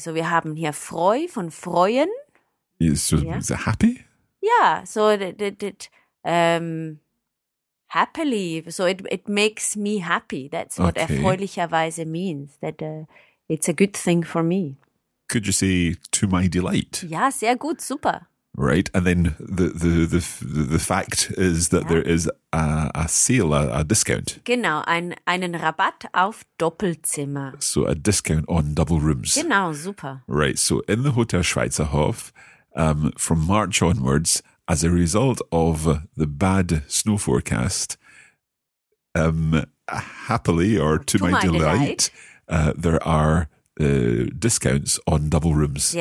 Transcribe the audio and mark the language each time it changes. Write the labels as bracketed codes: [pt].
[de] So we haben hier freu von freuen. [en] Is it happy? Yeah, so it happily, so it makes me happy. That's what erfreulicherweise means, that it's a good thing for me. Could you say to my delight? Yeah, [de] sehr gut, super. [en] Right, and then the fact is that there is a sale, a discount. [de] Genau, einen Rabatt auf Doppelzimmer. [en] So a discount on double rooms. [de] Genau, super. [en] Right, so in the Hotel Schweizerhof, from March onwards, as a result of the bad snow forecast, happily or to my delight, there are discounts on double rooms.